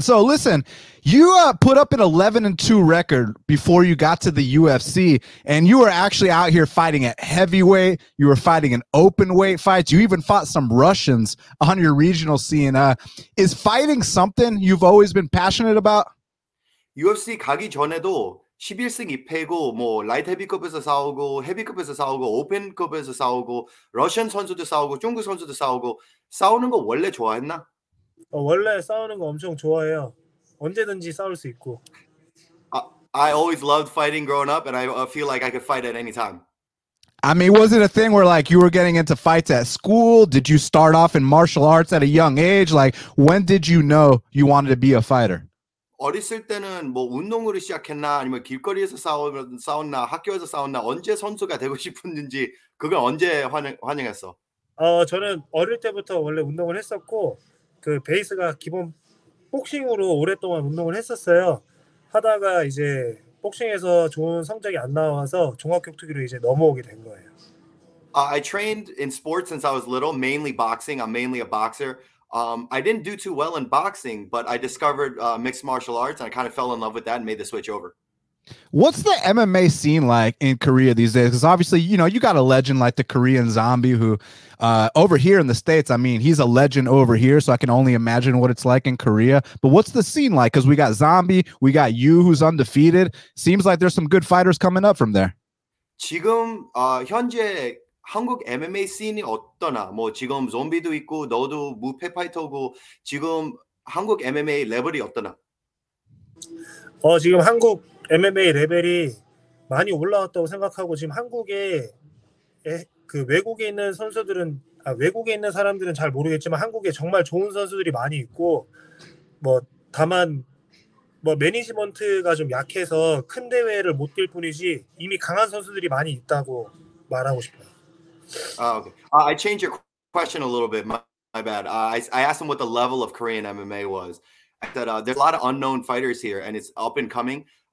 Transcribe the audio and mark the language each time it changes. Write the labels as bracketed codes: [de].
[en] So listen, you put up an 11-2 record before you got to the UFC, and you were actually out here fighting at heavyweight. You were fighting in open weight fights. You even fought some Russians on your regional scene. Is fighting something you've always been passionate about? [ko] UFC 가기 전에도 11승 2패고 뭐 라이트 헤비급에서 싸우고 헤비급에서 싸우고 오픈급에서 싸우고 러시안 선수도 싸우고 중국 선수도 싸우고 싸우는 거 원래 좋아했나? 원래 싸우는 거 엄청 좋아해요. 언제든지 싸울 수 있고. [en] I always loved fighting growing up, and I feel like I could fight at any time. I mean, was it a thing where like you were getting into fights at school? Did you start off in martial arts at a young age? Like, when did you know you wanted to be a fighter? [ko] 어렸을 때는 뭐 운동으로 시작했나 아니면 길거리에서 싸웠나 학교에서 싸웠나 언제 선수가 되고 싶었는지 그걸 언제 환영했어? 저는 어릴 때부터 원래 운동을 했었고. 그 베이스가 기본 복싱으로 오랫동안 운동을 했었어요. 하다가 이제 복싱에서 좋은 성적이 안 나와서 종합격투기로 이제 넘어오게 된 거예요. [en] I trained in sports since I was little, mainly boxing. I'm mainly a boxer. I didn't do too well in boxing, but I discovered mixed martial arts and I kind of fell in love with that and made the switch over. What's the MMA scene like in Korea these days? Because obviously, you know, you got a legend like the Korean Zombie who over here in the States, I mean, he's a legend over here. So I can only imagine what it's like in Korea. But what's the scene like? Because we got Zombie, we got you who's undefeated. Seems like there's some good fighters coming up from there. [ko] 지금 현재 한국 MMA 씬이 어떠나? 뭐 지금 Zombie도 있고 너도 무패 파이터고 지금 한국 MMA 레벨이 어떠나? 지금 한국 MMA 레벨이 많이 올라왔다고 생각하고 지금 한국에 그 외국에 있는 선수들은 외국에 있는 사람들은 잘 모르겠지만 한국에 정말 좋은 선수들이 많이 있고 뭐 다만 뭐 매니지먼트가 좀 약해서 큰 대회를 못 뛸 뿐이지 이미 강한 선수들이 많이 있다고 말하고 싶어요. [en] Okay. I changed your question a little bit. My bad. I asked him what the level of Korean MMA was. I said there's a lot of unknown fighters here and it's up and coming.